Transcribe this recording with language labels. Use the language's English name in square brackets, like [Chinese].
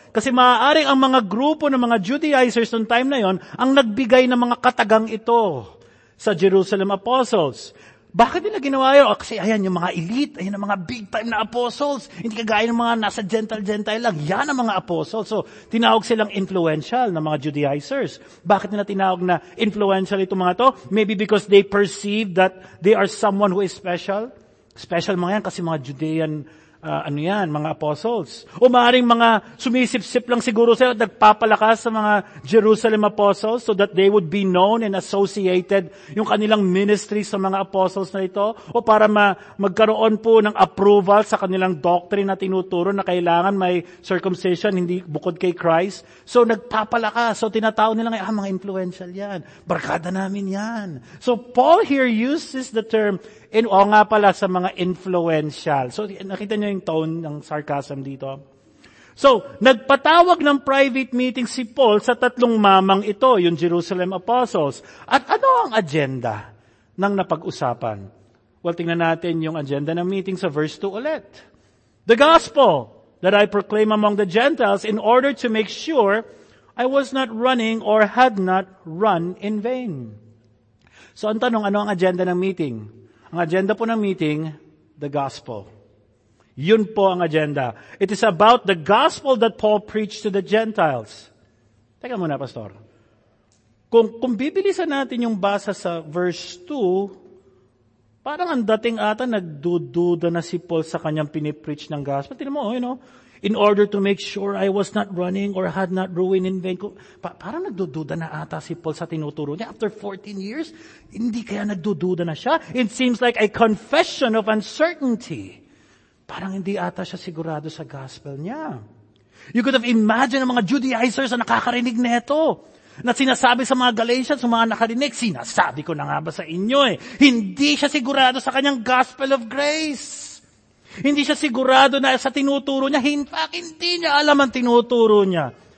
[Filipino] Kasi maaaring ang mga grupo ng mga Judaizers noong time na yon ang nagbigay ng mga katagang ito sa Jerusalem Apostles. Bakit nila ginawa yun? O, kasi ayan yung mga elite, ayan ang mga big time na apostles. Hindi kagaya ng mga nasa gentle-gentile lang. Yan ang mga apostles. So, tinawag silang influential na mga Judaizers. Bakit nila tinawag na influential itong mga to? [English] Maybe because they perceive that they are someone who is special. [Filipino] Special mga yan kasi mga Judean, mga apostles. O maaaring mga sumisip-sip lang siguro sila at nagpapalakas sa mga Jerusalem apostles [English] so that they would be known and associated [Filipino] yung kanilang ministry sa mga apostles na ito. O para magkaroon po ng approval sa kanilang doctrine na tinuturo na kailangan may circumcision, hindi bukod kay Christ. So nagpapalakas. So tinatawag nila ngayon, mga influential yan. Barkada namin yan. [English] So Paul here uses the term [Filipino] in o nga pala sa mga influential. So nakita niyo yung tone ng sarcasm dito. So, nagpatawag ng private meeting si Paul sa tatlong mamang ito, yung Jerusalem Apostles. At ano ang agenda ng napag-usapan? Well, tingnan natin yung agenda ng meeting sa verse 2 ulit. [English] The gospel that I proclaim among the Gentiles in order to make sure I was not running or had not run in vain. [Filipino] So, ang tanong, ano ang agenda ng meeting? Ang agenda po ng meeting, the gospel. Yun po ang agenda. [English] It is about the gospel that Paul preached to the Gentiles. [Filipino] Teka muna, Pastor. Kung bibilisan natin yung basa sa verse 2, parang ang dating ata nagdududa na si Paul sa kanyang pinipreach ng gospel. Tignan mo, [English] you know, in order to make sure I was not running or had not ruined in vain. [Filipino] Parang nagdududa na ata si Paul sa tinuturo niya. After 14 years, hindi kaya nagdududa na siya. [English] It seems like a confession of uncertainty. [Filipino] Parang hindi ata siya sigurado sa gospel niya. [English] You could have imagined [Filipino] ang mga Judaizers na nakakarinig neto. Na sinasabi sa mga Galatians, sa mga nakarinig, sinasabi ko na nga ba sa inyo eh. Hindi siya sigurado sa kanyang gospel of grace. Hindi siya sigurado na sa tinuturo niya. In fact, hindi niya alam ang tinuturo niya.